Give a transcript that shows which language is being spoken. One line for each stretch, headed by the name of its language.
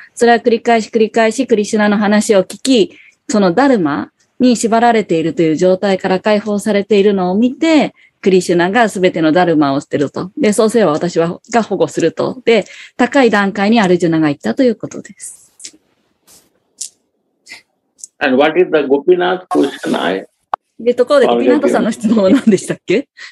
Japanese: それは繰り返し繰り返し、クリシュナの話を聞き、そのダルマに縛られているという状態から解放されているのを見て、クリシュナがすべてのダルマを捨てると。で、そうすれば私は、が保護すると。で、高い段階にアルジュナが行ったということです。
English: And what is the Gopinath question?
Japanese: で、ところで、ゴピナトさんの質問は何でしたっけ？